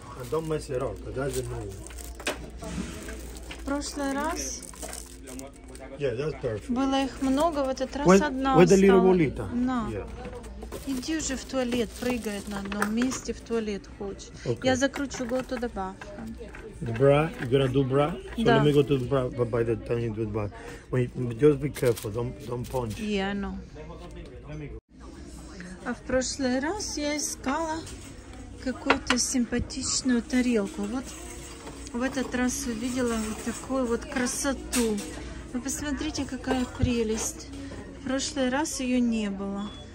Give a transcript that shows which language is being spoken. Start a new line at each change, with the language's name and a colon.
English: Don't mess it up, that's the new one.
Russian: Прошлый раз.
English: Yeah, that's perfect.
Russian: Было их много, в этот раз одна осталась.
English: With a little
Russian: На.
English: Yeah.
Russian: Иди уже в туалет, прыгает на одном месте, в туалет хочет.
English: Okay.
Russian: Я закручу,
English: go to the bathroom. The bra, you gonna do bra? So let me go to the bra, but by the time you do the bra. Wait, just be careful, don't punch. Yeah, I know.
Russian: А в прошлый раз я искала какую-то симпатичную тарелку. Вот в этот раз увидела вот такую вот красоту. Вы посмотрите, какая прелесть. В прошлый раз ее не было.